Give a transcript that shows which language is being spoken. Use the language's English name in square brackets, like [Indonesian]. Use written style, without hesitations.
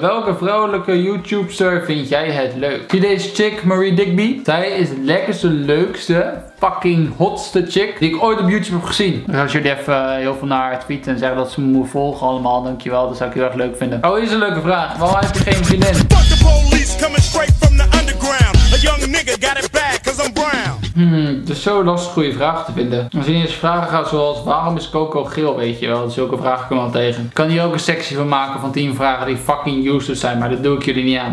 [Dutch] Welke vrouwelijke YouTuber vind jij het leuk? Zie deze chick, Marie Digby? Zij is het lekkerste, leukste, fucking hotste chick die ik ooit op YouTube heb gezien. Dus als jullie even heel veel naar haar tweeten en zeggen dat ze me moet volgen allemaal, dankjewel. Dat zou ik heel erg leuk vinden. Oh, hier is een leuke vraag. Waarom heb je geen vriendin? [English] Fuck the police coming straight from the underground. A young nigga got it back cause I'm brown. [Dutch] Het is zo lastig goede vragen te vinden. Als je eens vragen gaat zoals waarom is Coco geel, weet je wel. Zulke vragen kom ik wel tegen. Ik kan hier ook een sectie van maken van 10 vragen die [English] fucking useless [Dutch] zijn, maar dat doe ik jullie niet aan.